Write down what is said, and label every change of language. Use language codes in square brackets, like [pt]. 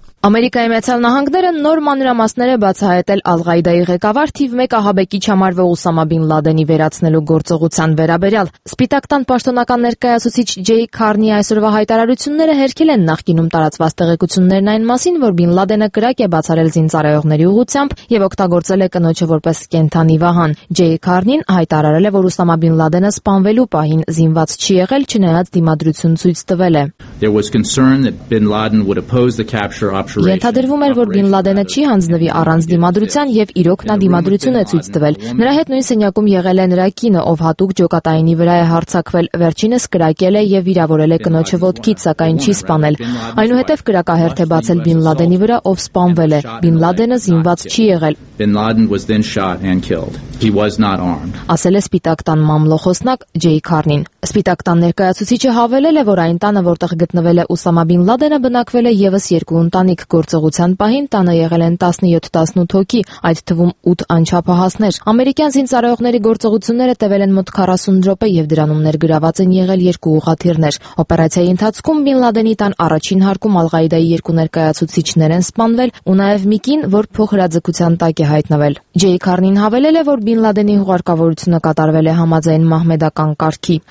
[hy] Ամերիկայի Միացյալ Նահանգները նոր մանրամասները բացահայտել Ալ-Ղայդայի ղեկավար թիվ 1 ահաբեկիչ համարվող Ուսամա բին Լադենի վերացնելու գործողության վերաբերյալ։ Սպիտակտան պաշտոնական ներկայացուցիչ Ջեյ Քարնի այսօրվա հայտարարությունները հերքել են նախկինում տարածված տեղեկություններն այն մասին, որ բին Լադենը կրակ է բացարել զինծառայողների ուղությամբ և օգտագործել է կնոջը որպես կենդանի վահան։ Ջեյ Քարնին հայտարարել է, որ Ուսամա բին Լադենը սպանվելու պահին զինված չի եղել, չնայած դիմադրություն ցույց տվել է։ [en] There was concern that Bin Laden would oppose the capture operation. [hy] Ենթադրվում էր, որ Բին Լադենը չի հանձնվի առանց դիմադրության և իրոք նա դիմադրություն է ցույց տվել։ Նրա հետ նույն սենյակում եղել է նրա կինը, ով հատուկ ջոկատայինի վրա է հարձակվել, վերջինս կրակել է և վիրավորել է կնոջը ոտքից, սակայն չի սպանել։ Այնուհետև կրակահերթ է բացել Բին Լադենի վրա, ով սպանվել է։ Բին Լադենը զինված չի եղել։ [en] Bin Laden was then shot and killed. He was not armed. [hy] Ասել է Սպիտակ տան մամլոխոսնակ Ջեյ Քարնին։ Սպիտակ տան ներկայացուցիչը հավելել է, որ այն տանը, որտեղ գտնվել է Ուսամա բին Լադենը, բնակվել է եւս երկու ընտանիք գործողության պահին, տանը եղել են 17-18 հոգի, այդ թվում 8 անչափահասներ։ Ամերիկյան զինծառայողների գործողությունները տևել են մոտ 40 րոպե եւ դրանում ներգրաված են եղել երկու ուղաթիռներ։ Օպերացիայի ընթացքում բին Լադենի տան առաջին հարկում Ալ-Ղաիդայի երկու ներկայացուցիչներ են սպանվել, ու նաեւ մի կին, որ փոխհրաձգության տակ է հայտնվել։ Ջեյ Քարնին հավելել է, որ բին Լադենի հուղարկավորությունը կատարվել է համաձայն մահմեդական կարգի։